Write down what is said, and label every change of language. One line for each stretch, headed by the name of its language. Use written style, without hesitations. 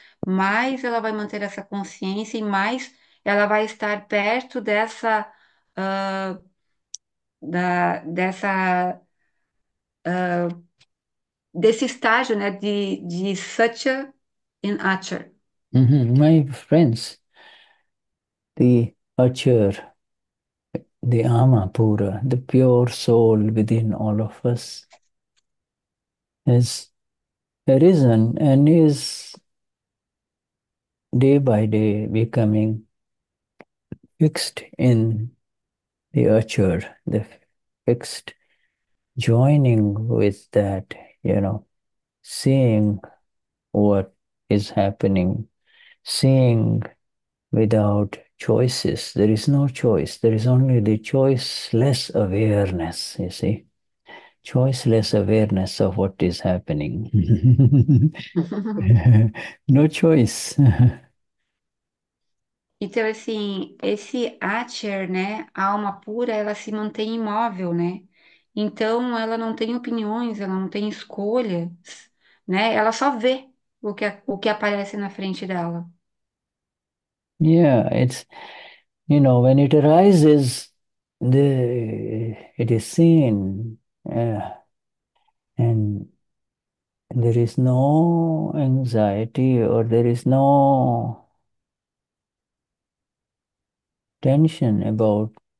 Portuguese: mais ela vai manter essa consciência e mais ela vai estar perto desse estágio, né, de Satya in Acharya.
English: My friends, the Acharya, the Amapura, the pure soul within all of us has arisen and is day by day becoming fixed in the Acharya, the fixed joining with that, seeing what is happening. Seeing without choices, there is no choice, there is only the choiceless awareness, you see, choiceless awareness of what is happening. No choice.
Portuguese: Então, assim, esse Acher, né, a alma pura, ela se mantém imóvel, né? Então, ela não tem opiniões, ela não tem escolhas, né? Ela só vê o que aparece na frente dela.
English: Yeah, it's, when it arises, the it is seen, and there is no anxiety or there is no tension about